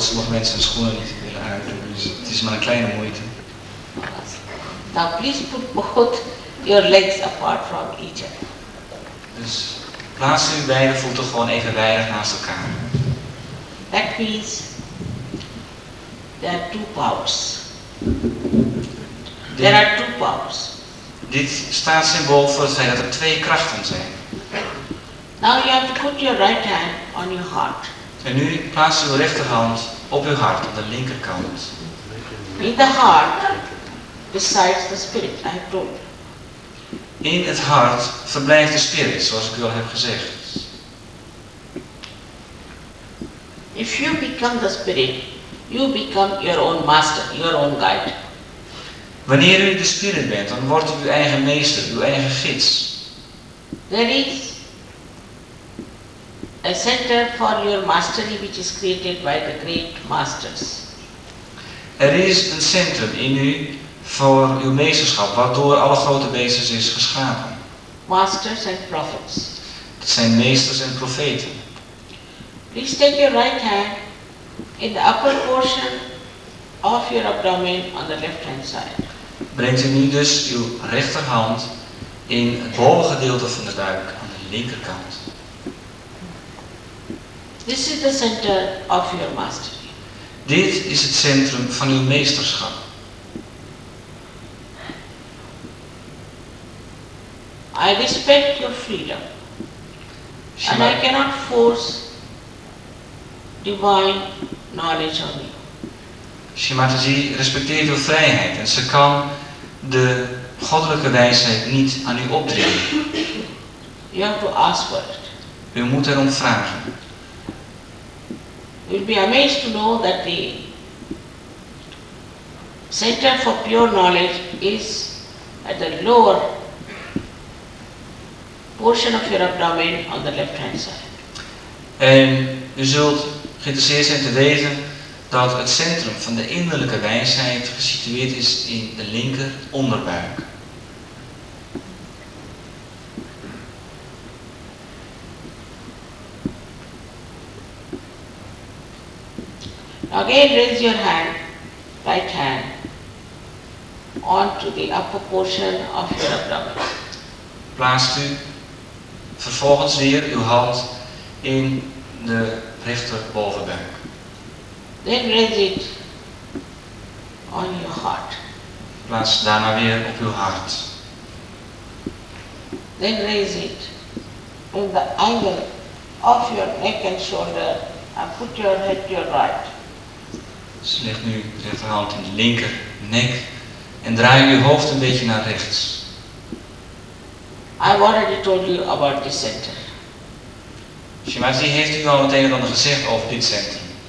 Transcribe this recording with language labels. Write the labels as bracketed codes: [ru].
[nl] Sommige mensen hun schoenen niet willen uitdoen, dus het is maar een kleine moeite. [en] Now please put both your legs apart from each other. [nl] Dus plaats uw beide voeten gewoon even wijdig naast elkaar. [en] That means there are two powers. There are two powers. [nl] Dit staat symbool voor het feit dat er twee krachten zijn. [en] Now you have to put your right hand on your heart. [nl] En nu plaats uw rechterhand op uw hart, op de linkerkant. [en] In the heart, besides the spirit, I have told. [nl] In het hart verblijft de spirit, zoals ik u al heb gezegd. [en] If you become the spirit, you become your own master, your own guide. [nl] Wanneer u de spirit bent, dan wordt u uw eigen meester, uw eigen gids. [en] There is a center for your mastery which is created by the great masters. [nl] Er is een centrum in u voor uw meesterschap, waardoor alle grote wezens is geschapen. [en] Masters and prophets. [nl] Het zijn meesters en profeten. [en] Please take your right hand in the upper portion of your abdomen on the left hand side. [nl] Brengt u nu dus uw rechterhand in het bovengedeelte van de buik aan de linkerkant. [en] This is the center of your mastery. [nl] Dit is het centrum van uw meesterschap. [en] I respect your freedom. And I cannot force divine knowledge on you. [nl] Shri Mataji respecteert uw vrijheid en ze kan de goddelijke wijsheid niet aan u opdringen. [en] You have to ask for it. [nl] U moet erom vragen. [en] You will be amazed to know that the center for pure knowledge is at the lower portion of your abdomen on the left hand side. [nl] En u zult geïnteresseerd zijn te weten dat het centrum van de innerlijke wijsheid gesitueerd is in de linker onderbuik. [en] Again, raise your hand, right hand, onto the upper portion of your abdomen. [nl] Plaatst u vervolgens weer uw hand in de rechter bovenbuik. [en] Then raise it on your heart. [nl] Plaats daarna weer op uw hart. [en] Then raise it in the angle of your neck and shoulder and put your head to your right. [nl] Ze legt nu de rechterhand in de linker nek en draai uw hoofd een beetje naar rechts. [en] I've already told you about this center. [nl] Shimati heeft u al het een en ander gezegd over dit centrum.